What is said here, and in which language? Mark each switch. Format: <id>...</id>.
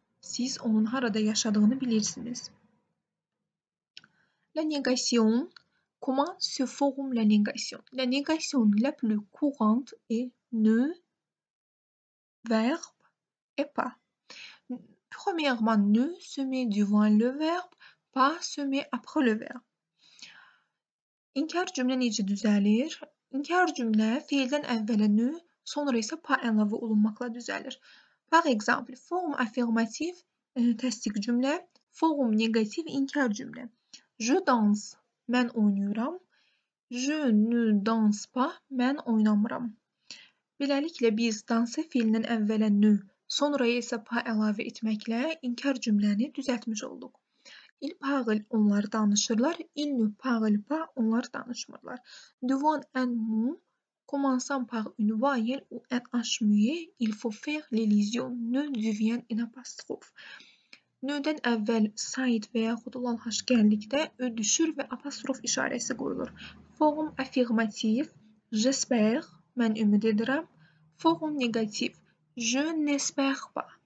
<az>Siz onun harada yaşadığını bilirsiniz.</az> <fr>La négation. Comment se forme la négation? La négation la plus courante est ne, verbe et pas. Premièrement, ne se met devant le verbe, pas se met après le verbe.</fr> <az>İnkar cümlə necə düzəlir? İnkar cümlə fiildən əvvələ ne, sonra isə pas əlavə olunmaqla düzəlir.</az> <fr>Par exemple, forme affirmative,</fr> <az>təsdiq cümlə,</az> <fr>forme négative,</fr> <az>inkar cümlə.</az> <fr>Je danse,</fr> <az>mən oynayıram.</az> <fr>Je ne danse pas,</fr> <az>mən oynamıram. Beləliklə, biz dansa fiildən əvvələ ne, sonra isə pa əlavə etməklə inkar cümləni düzəltmiş olduq.</az> <fr>Il parle,</fr> <az>onlar danışırlar.</az> <fr>Il ne parle pas,</fr> <az>onlar danışmırlar.</az> <fr>Devant un mot, commençant par une voyelle ou un H muet, il faut faire l'élision. Ne devient une apostrophe.</fr> <az>Nödən əvvəl said və yaxud olan H gəldikdə ö düşür və apostrof işarəsi qoyulur.</az> <fr>Forme affirmative, j'espère,</fr> <az>mən ümid edirəm.</az> <fr>Forme négative, je n'espère pas.</fr>